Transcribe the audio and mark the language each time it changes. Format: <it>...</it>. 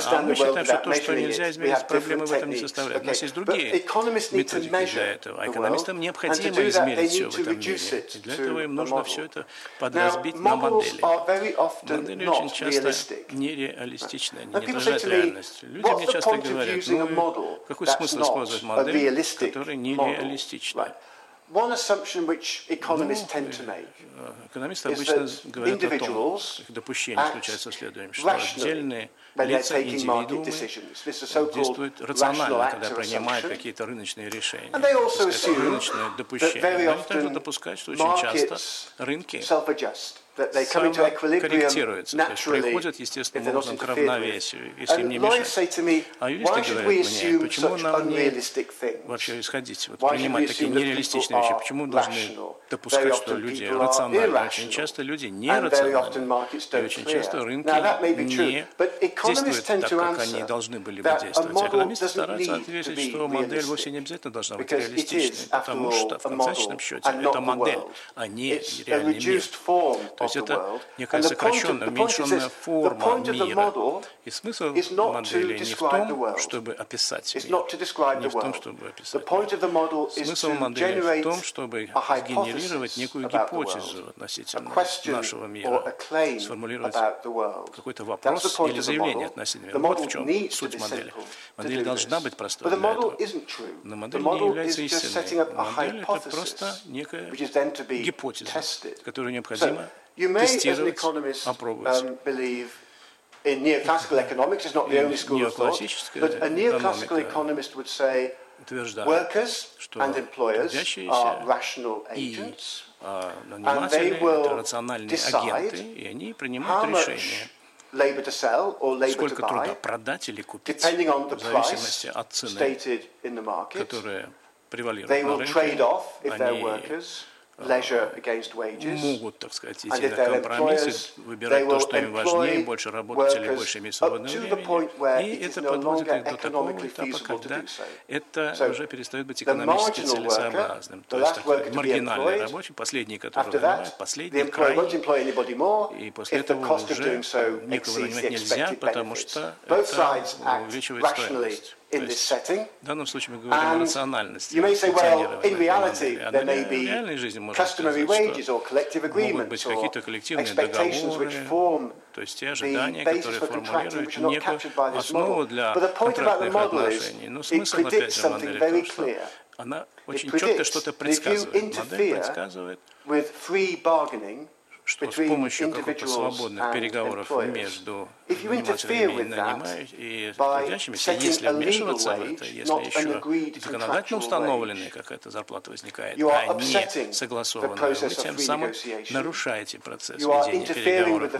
<ru>А мы считаем, что то, что нельзя измерить, проблемы в этом не составляют. У нас есть другие методики для этого. А экономистам необходимо измерить все в этом мире. И для этого им нужно все это подразбить на модели. Модели очень часто нереалистичны, они не отражают реальность. Люди мне часто говорят, ну, какой смысл использовать модель, которая нереалистична?</ru> <en>One assumption which economists tend to make is that individuals act rationally when they're taking market decisions. This is so-called rational assumption. And they also assume that very often markets self-adjust. That they come into equilibrium naturally, if they're not interfered with. And lawyers say to me, why should we assume such unrealistic things? Why should we assume that people are rational? Very often people are irrational, and very often markets don't clear. Now that may be true, but economists tend to answer that a model doesn't need to be realistic, because it is, after all, a model, and not the world. And the model is a reduced form of the world.</en> <ru>Это некая сокращенная, уменьшенная форма мира. И смысл модели не в том, чтобы описать мир. Не в том, чтобы описать мир. Смысл модели в том, чтобы сгенерировать некую гипотезу относительно нашего мира, сформулировать какой-то вопрос или заявление относительно мира. Вот в чем суть модели. Модель должна быть простой для этого. Но модель не является истинной. Модель — это просто некая гипотеза, которую необходимо</ru> <en>You may, as an economist, believe in neoclassical economics. It's not the only school of thought. But a neoclassical economist would say workers and employers are rational agents, and they will decide how much labor to sell or labor to buy,</en> <ru>продать или купить,</ru> <en>depending on the price stated in the market. They will trade off if they're workers. Leisure against wages.</en> <ru>Могут, так сказать, идти на компромиссы, выбирать то, что им важнее, больше работать или больше иметь свободного времени. И это подводит их до такого этапа, когда это уже перестает быть экономически целесообразным. То есть такой маргинальный рабочий, последний, который нанимает, последний край. И после этого уже никого нанимать нельзя, потому что это увеличивает стоимость.</ru> <en>In this setting,</en> <ru>в данном случае мы говорим о рациональности.</ru> <en>You may say, well, in reality, there may be customary wages or collective agreements or expectations which form the basis for contracting, which are not captured by this model. But the point about the model is, it predicts something very clear. It predicts that if you interfere with free bargaining.</en> <ru>Что с помощью какого-то свободных переговоров между нанимателями и нанимающимися, если вмешиваться в это, если еще законодательно установленная какая-то зарплата возникает, а не согласованная, вы тем самым нарушаете процесс ведения переговоров.</ru>